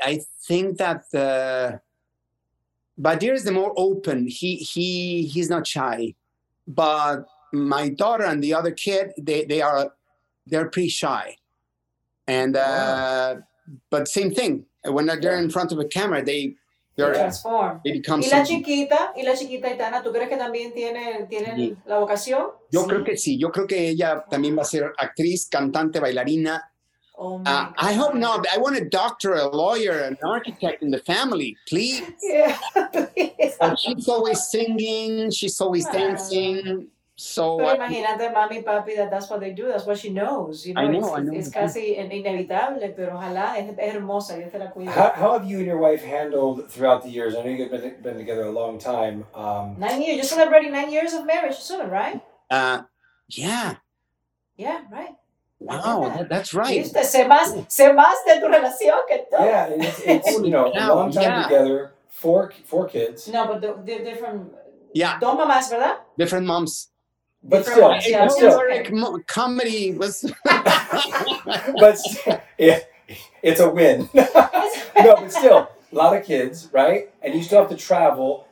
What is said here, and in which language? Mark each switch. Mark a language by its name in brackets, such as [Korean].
[English] I think that Badir is the more open. He's not shy. But my daughter and the other kid, they're pretty shy. And but same thing. When they're in front of a camera, they transform. They become. [Spanish] Y la chiquita, Itana, ¿tú crees que también tienen la vocación? Yo creo que sí. Yo creo que ella también va a ser actriz, cantante, bailarina. [English] Oh, I hope not. I want a doctor, a lawyer, an architect in the family, please. Yeah, please. She's always singing. She's always dancing. So. [Spanish] Imagínate, mami, papi, [English] that's what they do. That's what she knows. You know, I know. It's [Spanish] casi inevitable, pero ojalá. Es hermosa. Yo te la cuido. [English] How have you and your wife handled throughout the years? I know you've been together a long time. 9 years. You're celebrating 9 years of marriage soon, right? Yeah. Yeah, right. Wow, that's right. [Spanish] Se más de tu relación que todo. [English] Yeah, it's you know, a long time together, four kids. No, but they're different. Yeah. [Spanish] Dos mamás, ¿verdad? [English] Different moms. But different still, yeah, still. Comedy was. But yeah, it's a win. No, but still, a lot of kids, right? And you still have to travel.